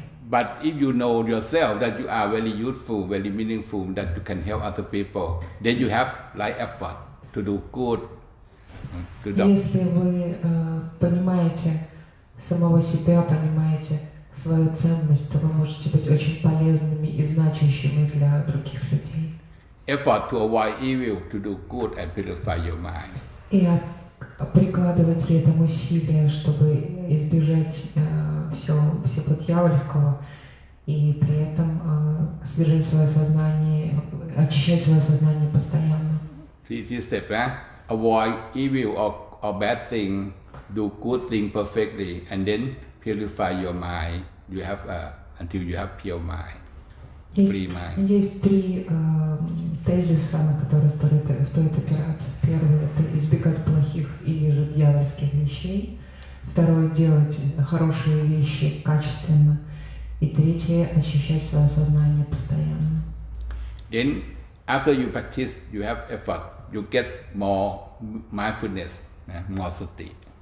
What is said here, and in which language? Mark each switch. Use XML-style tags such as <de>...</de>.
<en>But if you know yourself that you are very useful, very meaningful, that you can help other people, then you have like effort to do good.</en> <ru>Если вы понимаете самого себя, понимаете свою ценность, то вы можете быть очень полезными и значащими для других людей.</ru> <en>Effort to avoid evil, to do good and purify your mind.</en> <ru>И прикладывать при этом усилия, чтобы избежать все подъявольского и при этом содержать свое сознание, очищать свое сознание постоянно.</ru> <en>Третий step, avoid evil or bad thing, do good thing perfectly, and then purify your mind. You have until you have pure mind, free mind.</en> <ru>Есть три тезиса, на которые стоит опираться. Первый – это избегать плохих или же дьявольских вещей. Второе – делать хорошие вещи качественно. И третье – ощущать свое сознание постоянно.</ru> <en>Then, after you practice, you have effort, you get more mindfulness, more sati.</en>